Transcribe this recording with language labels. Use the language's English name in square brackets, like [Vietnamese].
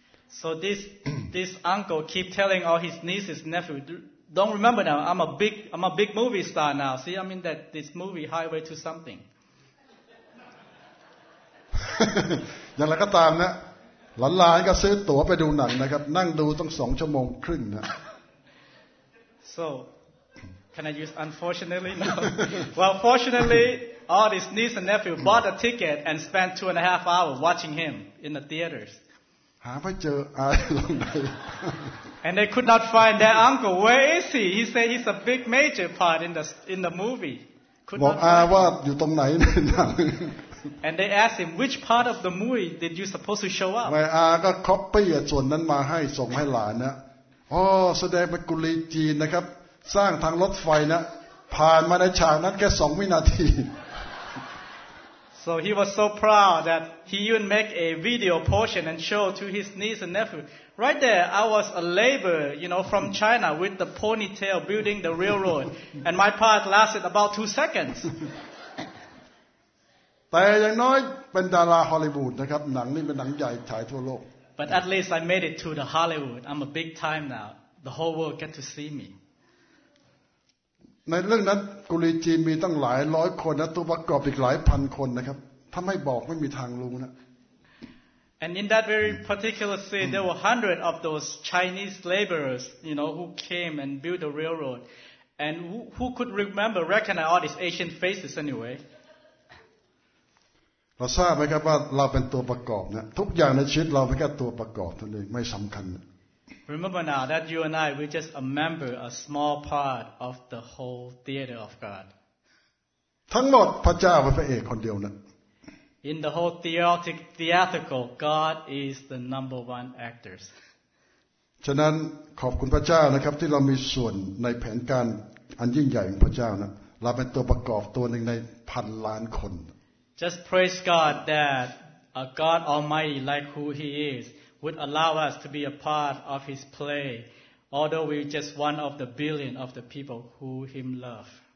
[English] So this uncle keep telling all his nieces, nephews, don't remember now. I'm a big movie star now. See, I'm in this movie Highway to Something. [Thai] อย่างไรก็ตามนะหลานๆก็ซื้อตั๋วไปดูหนังนะครับนั่งดูต้องสองชั่วโมงครึ่งนะ [English] So can I use unfortunately now? Well, fortunately. All his niece and nephew bought a ticket and spent 2.5 hours watching him in the theaters. [Thai] ฮ าพระเจออาตรงไหน [English] And they could not find their uncle. Where is he? He said he's a big major part in the movie. [Thai] บอกอาว่าอยู่ตรงไหนในหนัง [English] And they asked him which part of the movie did you supposed to show up? [Thai] ไม่อาก็ copy ส่วนนั้นมาให้ส่งให้หลานนะอ๋อแสดงเป็นกุลีจีนนะครับสร้างทางรถไฟนะผ่านมาในฉากนั้นแค่2วินาที [English] So he was so proud that he even make a video portion and show to his niece and nephew. Right there, I was a laborer, you know, from China with the ponytail building the railroad. And my part lasted about 2 seconds. [Thai] แต่อย่างน้อยเป็นดาราฮอลลีวูดนะครับหนังนี่เป็นหนังใหญ่ฉายทั่วโลก [English] But at least I made it to the Hollywood. I'm a big time now. The whole world get to see me. [Thai] ในเรื่องนั้นกุลีจีนมีตั้งหลายร้อยคนนะตัวประกอบอีกหลายพันคนนะครับถ้าไม่บอกไม่มีทางรู้นะ [English] And in that very particular scene, there were hundreds of those Chinese laborers, you know, who came and built the railroad. And who could remember, recognize all these Asian faces anyway? [Thai] เราทราบไหมครับว่าเราเป็นตัวประกอบเนี่ยทุกอย่างในชีวิตเราเป็นแค่ตัวประกอบเท่านั้นเองไม่สำคัญ [English] Remember now that you and I we're just a member a small part of the whole theater of God [Thai] ทั้งหมดพระเจ้าเป็นพระเอกคนเดียวนะ [English] In the whole theatrical God is the number one actors [Thai] ฉะนั้นขอบคุณพระเจ้านะครับที่เรามีส่วนในแผนการอันยิ่งใหญ่ของพระเจ้านะเราเป็นตัวประกอบตัวหนึ่งในพันล้านคน [English] Just praise God that a God Almighty like who He is would allow us to be a part of His play, although we're just one of the billion of the people who Him love.